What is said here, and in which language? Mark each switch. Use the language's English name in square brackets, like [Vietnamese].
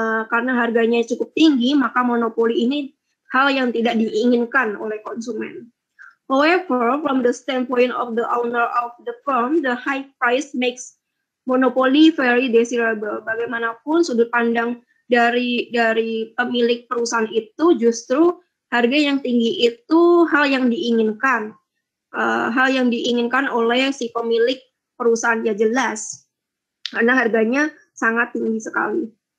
[Indonesian] Karena harganya cukup tinggi, maka monopoli ini hal yang tidak diinginkan oleh konsumen. [English] However, from the standpoint of the owner of the firm, the high price makes monopoly very desirable. [Indonesian] Bagaimanapun sudut pandang dari pemilik perusahaan itu, justru harga yang tinggi itu hal yang diinginkan. Hal yang diinginkan oleh si pemilik perusahaan, ya jelas. Karena harganya sangat tinggi sekali.